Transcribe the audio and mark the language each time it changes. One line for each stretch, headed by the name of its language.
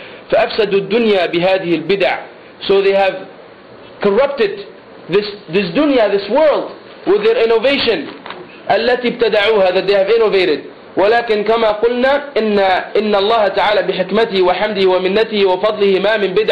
Arabic: فأفسدوا الدنيا بهذه البدع.
English: So they have corrupted this dunya, this world, with their innovation
Arabic: التي ابتدعوها,
English: that they have innovated.
Arabic: ولكن كما قلنا إن الله تعالى بحكمته وحمده ومنته وفضله ما من بدعة